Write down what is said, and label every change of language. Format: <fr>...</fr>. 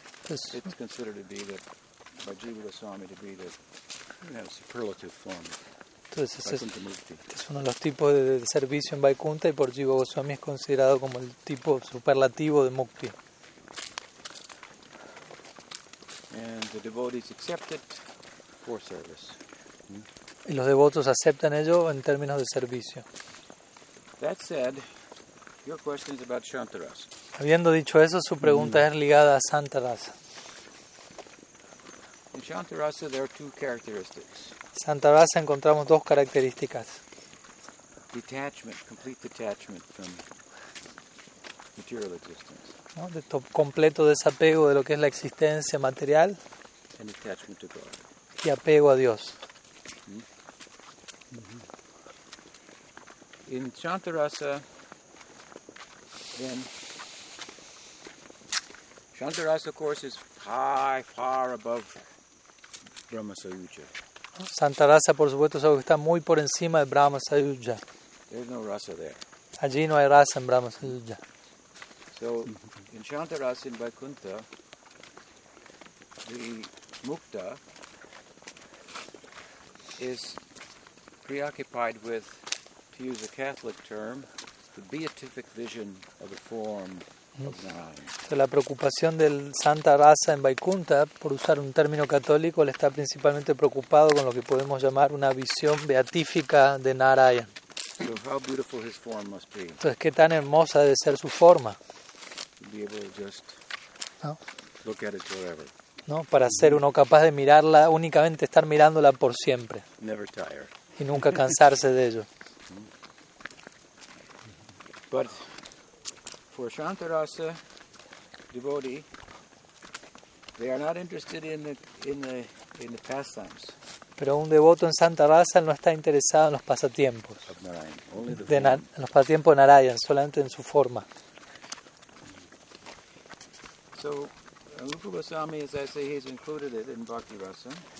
<en>It's considered to be that by Jiva Goswami to be the superlative form.</en> <es>Entonces es uno de los tipos de servicio en Vaikuntha, y por Jiva Goswami es considerado como el tipo superlativo de mukti.</es> <en>And the devotees accept it for service.</en> <es>Y los devotos aceptan ello en términos de servicio.</es> <en>That said, your question is about Santa-rasa.</en> <es>Habiendo dicho eso, su pregunta es ligada a Santa-rasa.</es> <en>In Santa-rasa, there are two characteristics.</en> <es>Santa-rasa encontramos dos características.</es> <en>Detachment, complete detachment from material existence.</en> <es>¿No? De completo desapego de lo que es la existencia material.</es> <en>And detachment to God.</en> <es>Y apego a Dios.</es> <en>In Santa-rasa, then, Santa-rasa, of course, is high, far above Brahma Sayuja.</en> <es>Santa-rasa, por supuesto, es algo que está muy por encima de Brahma Sayuja.</es> <en>There's no rasa there.</en> <es>Allí no hay rasa en Brahma Sayuja.</es> <en>So, in Santa-rasa, in Vaikuntha, the mukta is preoccupied with, to use a Catholic term, the beatific vision of the form of Narayana.</en> <es>So, la preocupación del Santa-rasa en Vaikuntha, por usar un término católico, le está principalmente preocupado con lo que podemos llamar una visión beatífica de Narayana.</es> <en>So, how beautiful his form must be.</en> <es>Entonces, ¿qué tan hermosa debe ser su forma?</es> <en>To be able to just look at it forever.</en> <es>¿No? Para ser uno capaz de mirarla, únicamente estar mirándola por siempre.</es> <en>Never tire.</en> <es>Y nunca cansarse de ello.</es> <en>But for Santa-rasa devotee, they are not interested in the pastimes.</en> <es>Pero un devoto en Santa-rasa no está interesado en los pasatiempos. En los pasatiempos de Narayana, solamente en su forma.</es> <en>So, Rupa Goswami, as I say, he's included it in Bhakti Rasa.</en>